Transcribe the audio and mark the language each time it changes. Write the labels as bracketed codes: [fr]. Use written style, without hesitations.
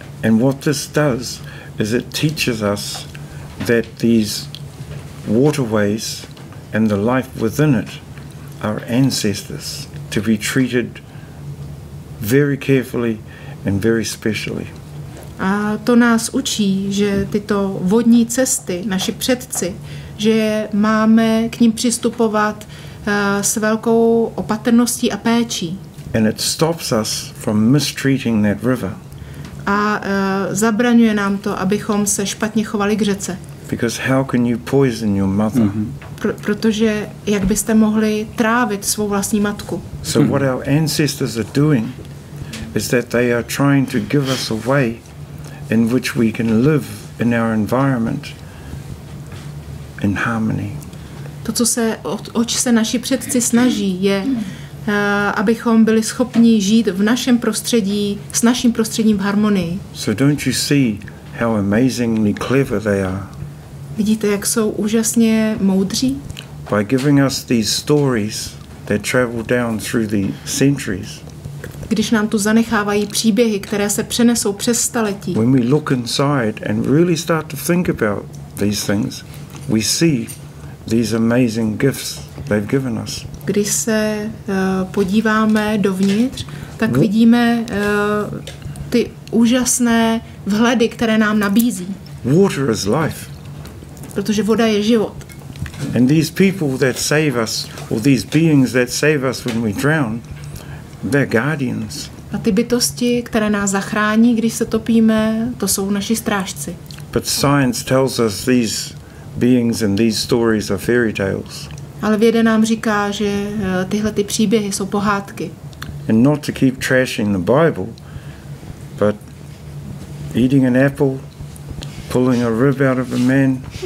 [en] And what this does is it teaches us that these waterways and the life within it, our ancestors, to be treated very carefully and very specially. [cs] A to nás učí, že tyto vodní cesty, naši předci, že máme k ním přistupovat s velkou opatrností a péčí. [en] And it stops us from mistreating that river. [cs] A zabraňuje nám to, abychom se špatně chovali k řece. [en] Because how can you poison your mother? Mm-hmm. [cs] Protože jak byste mohli trávit svou vlastní matku? [en] So what our ancestors are doing is that they are trying to give us a way in which we can live in our environment in harmony. [cs] To, co se, oč se naši předci snaží, je, abychom byli schopni žít v našem prostředí, s naším prostředím v harmonii. [en] So don't you see how amazingly clever they are? [cs] Vidíte, jak jsou úžasně moudří? [en] By giving us these stories that travel down through the centuries. [cs] Když nám tu zanechávají příběhy, které se přenesou přes staletí. [en] When we look inside and really start to think about these things, we see these amazing gifts they've given us. [cs] Když se podíváme dovnitř, tak vidíme ty úžasné vhledy, které nám nabízí. [en] Water is life. [cs] Protože voda je život. [en] And these people that save us, or these beings that save us when we drown, they're guardians. [cs] A ty bytosti, které nás zachrání, když se topíme, to jsou naši strážci. [en] But science tells us these beings and these stories are fairy tales. [cs] Ale věda nám říká, že tyhle ty příběhy jsou pohádky. [en] And not to keep trashing the Bible, but eating an apple, pulling a rib out of a man.